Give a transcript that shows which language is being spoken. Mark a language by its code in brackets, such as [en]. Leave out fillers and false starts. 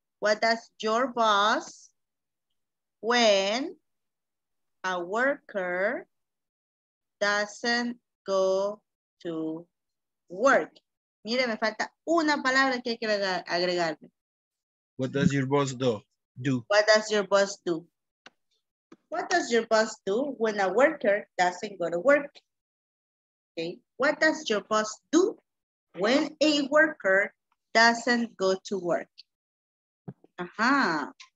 [en] What does your boss when a worker doesn't go to work? [es] Mire, me falta una palabra que hay que agregarle. [en] What does your boss do? What does your boss do? What does your boss do when a worker doesn't go to work? Okay. What does your boss do when a worker doesn't go to work? Aha.